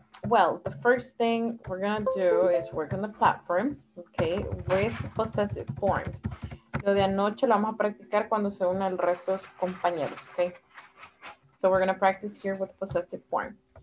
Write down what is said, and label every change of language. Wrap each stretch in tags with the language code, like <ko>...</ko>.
<en>Well, the first thing we're gonna do is work on the platform, okay, with possessive forms.</en> <es>Lo de anoche lo vamos a practicar cuando se una el resto de sus compañeros, okay?</es> <en>So we're gonna practice here with possessive form.</en>